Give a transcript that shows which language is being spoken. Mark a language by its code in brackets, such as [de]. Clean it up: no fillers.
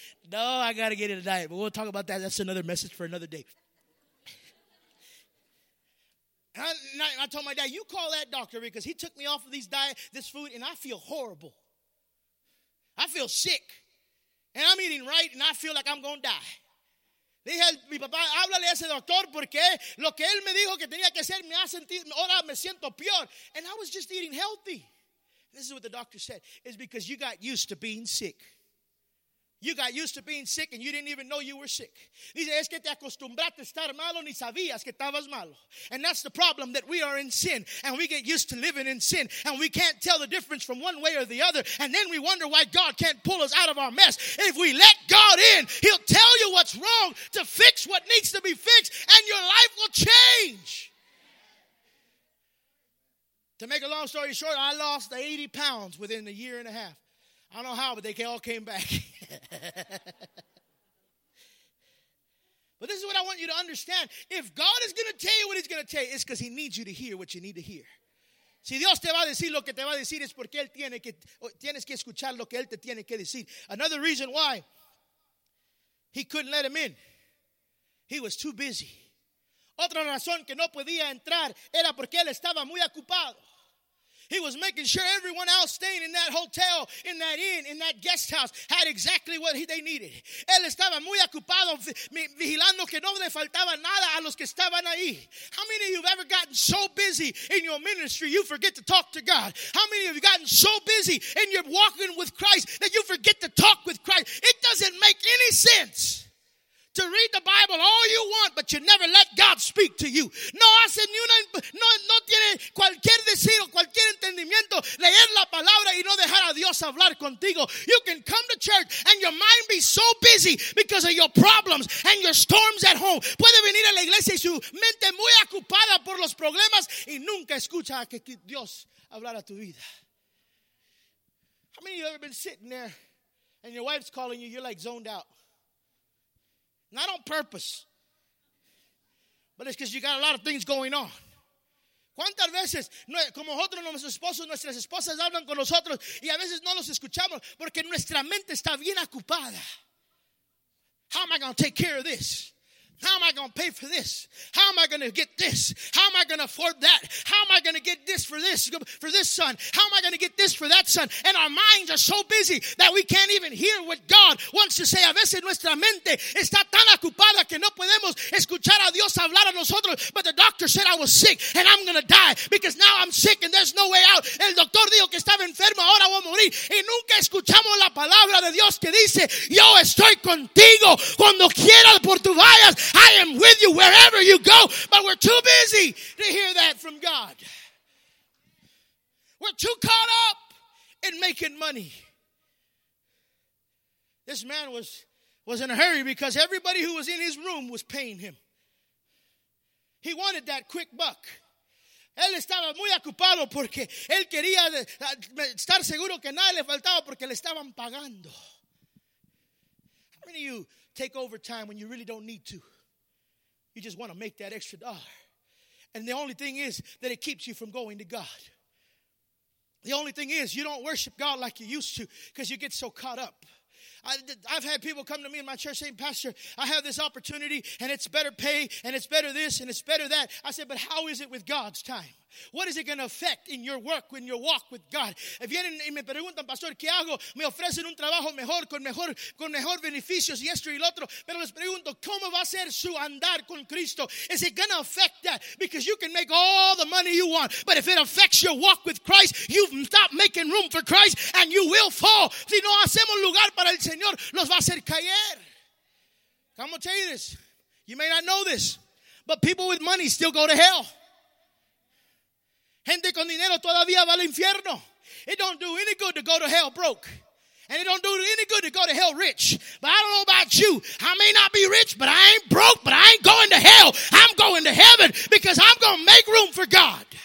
[en] No, I got to get in a diet, but we'll talk about that. That's another message for another day. I told my dad, you call that doctor, because he took me off of this food, and I feel horrible. I feel sick, and I'm eating right, and I feel like I'm going to die. [es] Dije, mi papá, háblale a ese doctor, porque lo que él me dijo que tenía que hacer, me ha sentido, ahora me siento peor. [en] And I was just eating healthy. This is what the doctor said. It's because you got used to being sick. You got used to being sick and you didn't even know you were sick. [es] Dice, es que te acostumbraste a estar malo, ni sabías que estabas malo. [en] And that's the problem, that we are in sin and we get used to living in sin and we can't tell the difference from one way or the other, and then we wonder why God can't pull us out of our mess. If we let God in, he'll tell you what's wrong to fix what needs to be fixed, and your life will change. To make a long story short, I lost 80 pounds within a year and a half. I don't know how, but they all came back. But this is what I want you to understand. If God is going to tell you what he's going to tell you, it's because he needs you to hear what you need to hear. [es] Si Dios te va a decir lo que te va a decir, es porque él tienes que escuchar lo que él te tiene que decir. [en] Another reason why he couldn't let him in, he was too busy. [es] Otra razón que no podía entrar era porque él estaba muy ocupado. [en] He was making sure everyone else staying in that hotel, in that inn, in that guest house had exactly what they needed. [es] Él estaba muy ocupado vigilando que no le faltaba nada a los que estaban ahí. [en] How many of you have ever gotten so busy in your ministry you forget to talk to God? How many of you have gotten so busy in your walking with Christ that you forget to talk with Christ? It doesn't make any sense to read the Bible all you want, but you never let God speak to you. [es] No hace ni una, no tiene cualquier deseo, cualquier entendimiento leer la palabra y no dejar a Dios hablar contigo. [en] You can come to church and your mind be so busy because of your problems and your storms at home. [es] Puede venir a la iglesia y su mente muy ocupada por los problemas y nunca escucha a que Dios hablar a tu vida. [en] How many of you have ever been sitting there and your wife's calling you, you're like zoned out? Not on purpose, but it's because you got a lot of things going on. [es] ¿Cuántas veces, como nosotros, nuestros esposos, nuestras esposas hablan con nosotros y a veces no los escuchamos porque nuestra mente está bien ocupada? [en] How am I going to take care of this? How am I going to pay for this? How am I going to get this? How am I going to afford that? How am I going to get this for this son? How am I going to get this for that son? And our minds are so busy that we can't even hear what God wants to say. [es] A veces nuestra mente está tan ocupada que no podemos escuchar a Dios hablar a nosotros. [en] But the doctor said I was sick and I'm going to die because now I'm sick and there's no way out. [es] El doctor dijo que estaba enfermo, ahora voy a morir. Y nunca escuchamos la palabra de Dios que dice, yo estoy contigo cuando quieras por tu vayas. [en] I am with you wherever you go, but we're too busy to hear that from God. We're too caught up in making money. This man was in a hurry because everybody who was in his room was paying him. He wanted that quick buck. [es] Él estaba muy ocupado porque él quería estar seguro que nada le faltaba porque le estaban pagando. [en] How many of you take overtime when you really don't need to? You just want to make that extra dollar. And the only thing is that it keeps you from going to God. The only thing is you don't worship God like you used to because you get so caught up. I've had people come to me in my church saying, Pastor, I have this opportunity and it's better pay and it's better this and it's better that. I said, but how is it with God's time? What is it going to affect in your work, in your walk with God? [es] Vienen y me preguntan, Pastor, ¿qué hago? Me ofrecen un trabajo mejor, con mejor beneficios y esto y el otro. Pero les pregunto, ¿cómo va a ser su andar con Cristo? [en] Is it going to affect that? Because you can make all the money you want, but if it affects your walk with Christ, you've stopped making room for Christ and you will fall. [es] Si no hacemos lugar para el Señor, los va a hacer caer. [en] I'm going to tell you this. You may not know this, but people with money still go to hell. [es] Gente con dinero todavía va al infierno. [en] It don't do any good to go to hell broke. And it don't do any good to go to hell rich. But I don't know about you. I may not be rich, but I ain't broke, but I ain't going to hell. I'm going to heaven because I'm going to make room for God.